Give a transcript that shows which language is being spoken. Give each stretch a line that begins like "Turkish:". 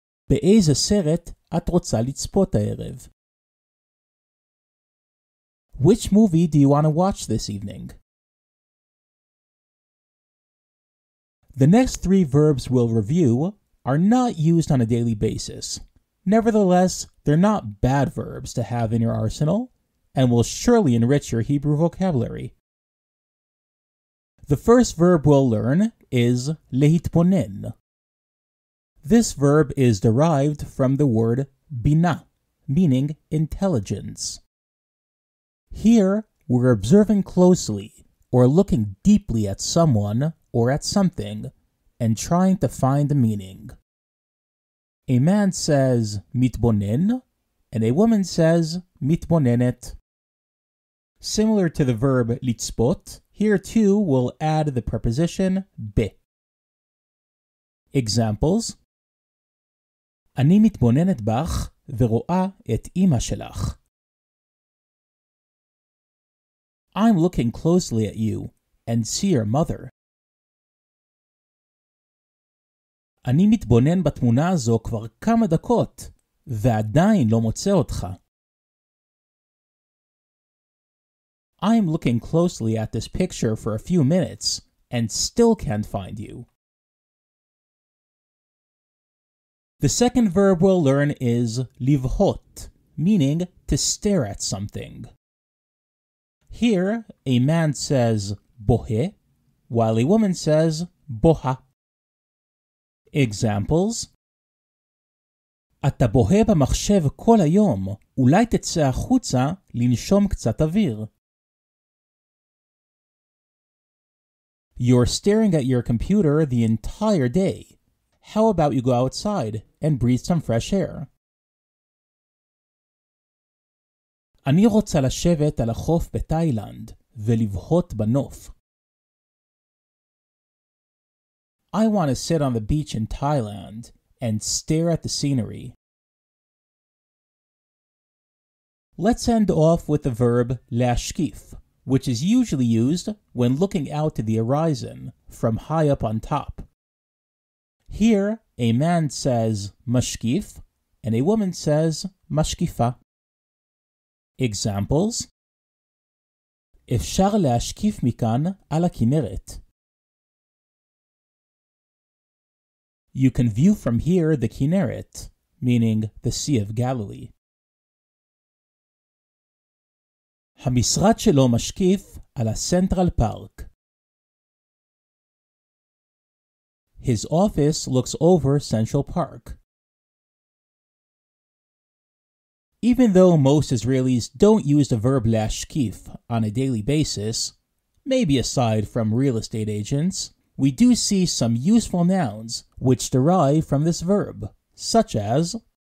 Hebrew: באיזה סרט את רוצה לצפות הערב?
English: Which movie do you want to watch this evening? The next three verbs we'll review are not used on a daily basis, Nevertheless, they're not bad verbs to have in your arsenal, and will surely enrich your Hebrew vocabulary. The first verb we'll learn is להתבונן. This verb is derived from the word bina, meaning intelligence. Here, we're observing closely, or looking deeply at someone or at something, and trying to find the meaning. A man says מתבונן, and a woman says מתבוננת. Similar to the verb לצפות, here too we'll add the preposition ב. Examples:
Hebrew: אני מתבוננת בך ורואה את אמא שלך.
English: I'm looking closely at you and see your mother.
Hebrew: אני מתבונן בתמונה הזו כבר כמה דקות ועדיין לא מוצא אותך.
English: I'm looking closely at this picture for a few minutes and still can't find you. The second verb we'll learn is לבהות, meaning to stare at something. Here, a man says בוהה, while a woman says בוהה. Examples:
Hebrew: אתה בוהה במחשב כל היום, אולי תצא החוצה לנשום קצת אוויר.
English: You're staring at your computer the entire day. How about you go outside and breathe some fresh air?
Hebrew: אני רוצה לשבת על החוף בתאילנד ולבהות בנוף.
English: I want to sit on the beach in Thailand and stare at the scenery. Let's end off with the verb להשקיף, which is usually used when looking out to the horizon from high up on top. Here, a man says משקיף, and a woman says משקיפה. Examples:
Hebrew: אפשר להשקיף מכאן על הכינרת.
English: You can view from here the Kinneret, meaning the Sea of Galilee.
Hebrew: המשרד שלו משקיף על הסנטרל פארק.
English: His office looks over Central Park. Even though most Israelis don't use the verb להשקיף on a daily basis, maybe aside from real estate agents, we do see some useful nouns which derive from this verb, such as